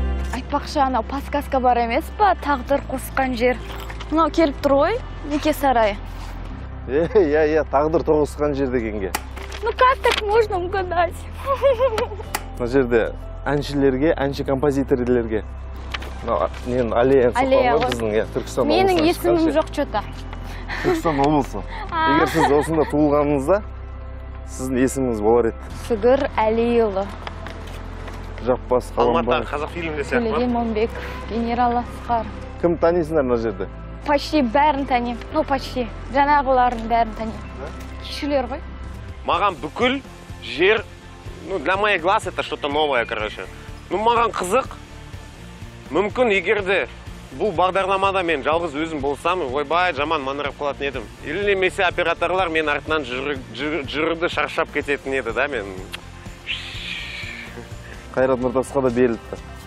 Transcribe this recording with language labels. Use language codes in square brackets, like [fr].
[kk] Айтпақшы, анау подсказка бар емес па? Тағдыр қосқан жер. Мынау келіп тұр ғой, неке сарайы. Иә, тағдыр тоғысқан жер дегенге. [ru] Ну как так можно угадать? [kk] Мына жерде әншілерге, әнші композиторлерге. Мен аллеяға соққан ғой біздің, Түркістан облысы. Менің есімім жоқ чөта. Түркістан облысы. Егер сіз осында туылғаныңызда, сіздің есіміңіз болар еді. Сүгір Әлиұлы. Жаппас Қаламбаев. Алматыдағы Қазақфильмде сияқты ма? Төлеген Момбеков, генерал Асқар. Кім танисыңдар мына жерде? [ru] почти [kk] бәрін танем. [ru] Ну, почти. [kk] Жанағыларын бәрін танем. Кишілер ғой. Маған бүкіл жер, [ru] ну, для моих глаз это что-то новое, короче. [kk] Ну, маған қызық. Мүмкін, егер де бұл бағдарламада мен жалғыз өзім болсам, ойбай, жаман маңырап қалатын едім. Или немесе операторлар мен артынан жүрді шаршап кететін еді, да, мен. Қайрат Нұртасқа да берілді.